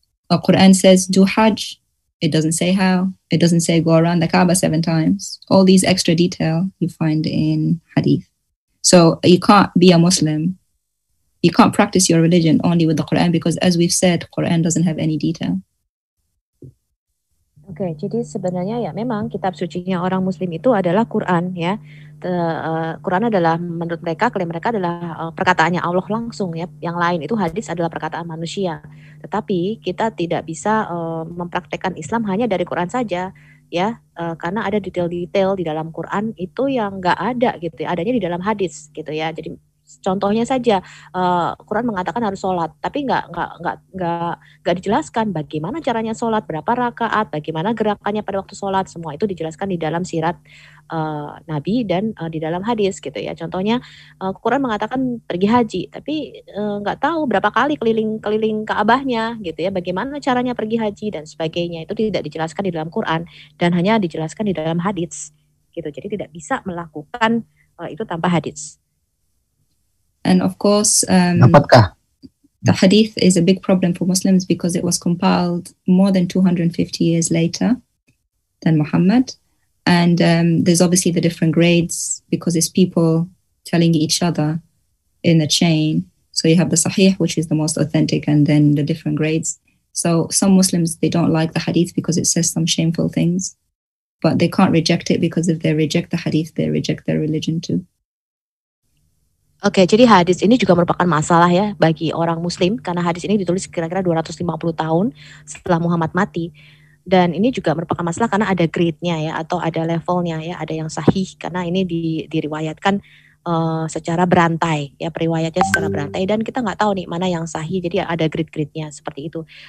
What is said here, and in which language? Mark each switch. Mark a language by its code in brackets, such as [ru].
[en] Quran says do hajj. It doesn't say how. It doesn't say go around the Kaaba 7 times. All these extra detail you find in hadith. So you can't be a Muslim. You can't practice your religion only with the Quran, because as we've said, Quran doesn't have any detail. [id] Okay, jadi sebenarnya ya memang kitab sucinya orang Muslim itu adalah Quran ya. Quran adalah menurut mereka, klaim mereka adalah perkataannya Allah langsung ya. Yang lain itu hadis adalah perkataan manusia. Tetapi kita tidak bisa mempraktekkan Islam hanya dari Quran saja. Ya, karena ada detail-detail di dalam Quran itu yang nggak ada gitu ya. Adanya di dalam hadis gitu ya. Jadi Contohnya saja, Quran mengatakan harus sholat, tapi nggak dijelaskan bagaimana caranya sholat, berapa rakaat, bagaimana gerakannya pada waktu sholat, semua itu dijelaskan di dalam sirat Nabi dan di dalam hadis gitu ya. Contohnya, Quran mengatakan pergi haji, tapi nggak tahu berapa kali keliling Ka'bahnya gitu ya, bagaimana caranya pergi haji dan sebagainya, itu tidak dijelaskan di dalam Quran dan hanya dijelaskan di dalam hadis gitu. Jadi tidak bisa melakukan itu tanpa hadis. [en] And of course, the hadith is a big problem for Muslims because it was compiled more than 250 years later than Muhammad. And there's obviously the different grades because it's people telling each other in the chain. So you have the sahih, which is the most authentic, and then the different grades. So some Muslims, they don't like the hadith because it says some shameful things, but they can't reject it because if they reject the hadith, they reject their religion too. [id] Oke, jadi hadis ini juga merupakan masalah ya bagi orang Muslim, karena hadis ini ditulis kira-kira 250 tahun setelah Muhammad mati. Dan ini juga merupakan masalah karena ada grade-nya ya, atau ada levelnya ya, ada yang sahih, karena ini diriwayatkan secara berantai, ya periwayatnya secara berantai, dan kita nggak tahu nih mana yang sahih, jadi ada grade-gradenya seperti itu.